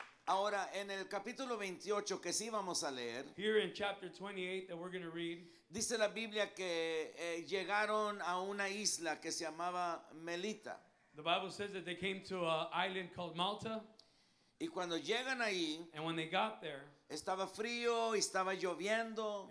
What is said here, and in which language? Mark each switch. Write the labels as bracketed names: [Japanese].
[Spanish] Ahora, en el capítulo 28 que sí vamos a leer, [English] here in chapter 28 that we're going to read, [Spanish] dice la Biblia que llegaron a una isla que se llamaba Melita. [English] The Bible says that they came to an island called Malta. [Spanish] Y cuando llegan ahí, [English] and when they got there, [Spanish] estaba frío y estaba lloviendo.